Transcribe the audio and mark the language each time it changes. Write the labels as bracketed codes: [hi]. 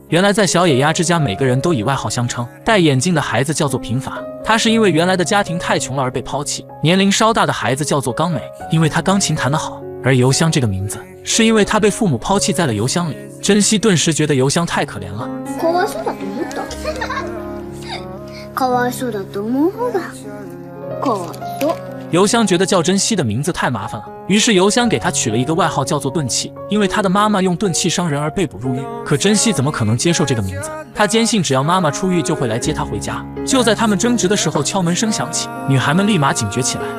[zh] 原来在小野鸭之家，每个人都以外号相称。戴眼镜的孩子叫做平法，他是因为原来的家庭太穷了而被抛弃。年龄稍大的孩子叫做刚美，因为他钢琴弹得好。而油香这个名字是因为他被父母抛弃在了油箱里。珍惜顿时觉得油香太可怜了。 [ja] かわいそうだと思った。かわいそうだと思う方がかわいそう。 [zh] 油香觉得叫珍惜的名字太麻烦了，于是油香给他取了一个外号叫做钝器，因为他的妈妈用钝器伤人而被捕入狱。可珍惜怎么可能接受这个名字？他坚信只要妈妈出狱就会来接他回家。就在他们争执的时候，敲门声响起，女孩们立马警觉起来。